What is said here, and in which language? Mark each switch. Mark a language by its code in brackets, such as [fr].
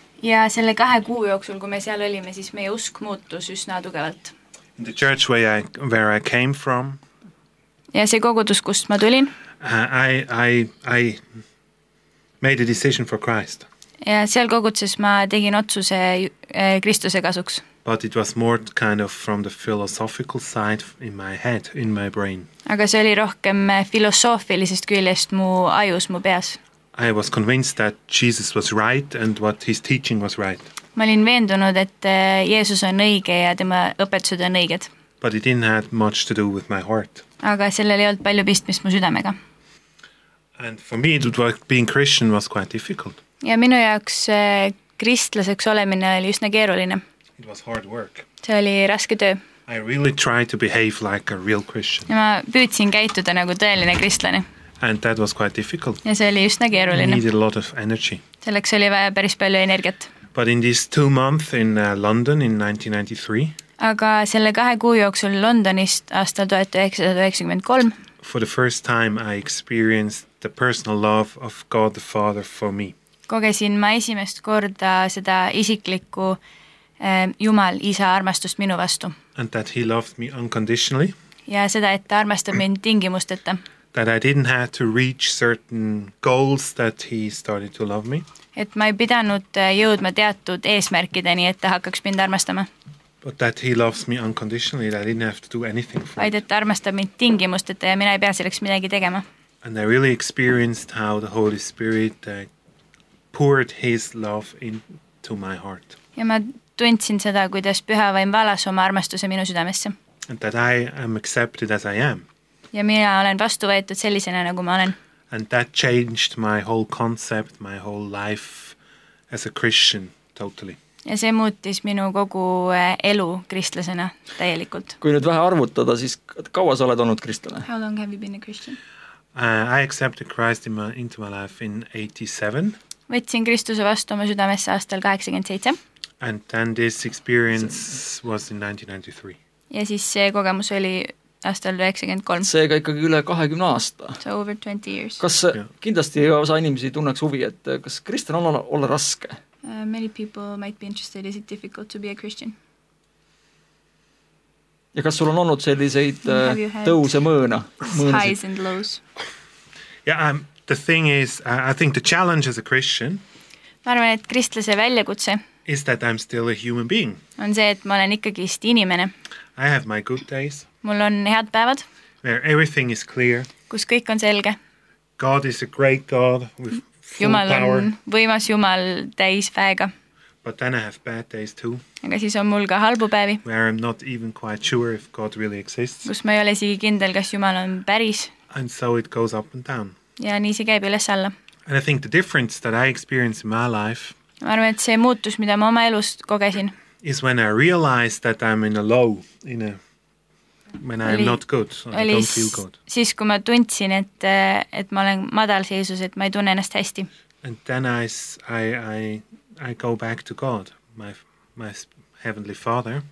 [et] Ja selle 2 kuu jooksul, kui me seal olime, siis meie usk muutus üsna tugevalt. [en] In the church where I came from. [et] Ja see kogudus, kust ma tulin. [en] I made a decision for Christ. [et] Ja seal kogudses ma tegin otsuse Kristuse kasuks. [en] But it was more kind of from the philosophical side in my head, in my brain. [et] Aga see oli rohkem filosoofilisest küljest mu ajus, mu peas. [en] I was convinced that Jesus was right and what his teaching was right. [et] Ma olin veendunud, et Jeesus on õige ja tema õpetused on õiged. [en] But it didn't have much to do with my heart. [et] Aga sellel ei olnud palju pistmist mu südamega. [en] And for me, being Christian was quite difficult. [et] Ja minu jaoks kristlaseks olemine oli üsna keeruline. [en] It was hard work. [et] See oli raske töö. [en] I really tried to behave like a real Christian. [et] Ja ma püüdsin käituda nagu tõeline kristlane. [en] And that was quite difficult. [et] Ja see oli üsna keeruline. [en] I needed a lot of energy. [et] Selleks oli vaja päris palju energiat. [en] But in these 2 months in London in 1993... [et] Aga selle 2 kuu jooksul Londonist aastal 1993. [en] For the first time I experienced the personal love of God the Father for me. [et] Kogesin ma esimest korda seda isiklikku Jumal isa armastust minu vastu. [en] And that he loved me unconditionally. [et] Ja seda, et ta armastab mind tingimusteta. [en] That I didn't have to reach certain goals that he started to love me. [et] Et ma ei pidanud jõudma teatud eesmärkideni, et ta hakkaks mind armastama. [en] But that he loves me unconditionally, that I didn't have to do anything for it. [et] Vaid, et armastab mind tingimusteta ja mina ei pea selleks midagi tegema. [en] And I really experienced how the Holy Spirit poured his love into my heart. [et] Ja ma tundsin seda, kuidas püha vaim valas oma armastuse minu südamesse. [en] And that I am accepted as I am. [et] Ja mina olen vastu võetud sellisena, nagu ma olen. [en] And that changed my whole concept, my whole life as a Christian totally. [et] Ja see muutis minu kogu elu kristlasena täielikult. Kui nüüd vähe arvutada, siis kaua sa oled olnud kristlane? [en] How long have you been a Christian? I accepted Christ into my life in 87. [et] Võtsin Kristuse vastu oma südamesse aastal 87. [en] And then this experience was in 1993. [et] Ja siis see kogemus oli aastal 93. See ka ikkagi üle 20 aasta. [en] So over 20 years. [et] Kas kindlasti osa inimesi tunneks huvi, et kas kristlane on olla raske? [en] Many people might be interested, is it difficult to be a Christian? [et] Ja kas sul on olnud selliseid tõuse mõõna? [en] Highs and lows. Yeah, the thing is, I think the challenge as a Christian [et] Ma arvan, et kristlase väljakutse [en] is that I'm still a human being. [et] On see, et ma olen ikkagi inimene. [en] I have my good days. [et] Mul on head päevad. [en] Where everything is clear. [et] Kus kõik on selge. [en] God is a great God with [et] Jumal [en] full power. [et] On võimas Jumal täis väega. [en] But then I have bad days too. [et] Aga siis on mul ka halbu päevi. [en] Where I'm not even quite sure if God really exists. [et] Kus ma ei ole siigi kindel, kas Jumal on päris. [en] And so it goes up and down. [et] Ja nii see käib üles alla. [en] And I think the difference that I experience in my life [et] Ma arvan, et see muutus, mida ma oma elust kogesin. [en] Is when I realize that I'm in a low, in a when I'm not good, or I don't feel good. [et] Siis kui ma tundsin, et ma olen madal seisus, et ma ei tunne ennast hästi. [en] And then I go back to God, my heavenly father.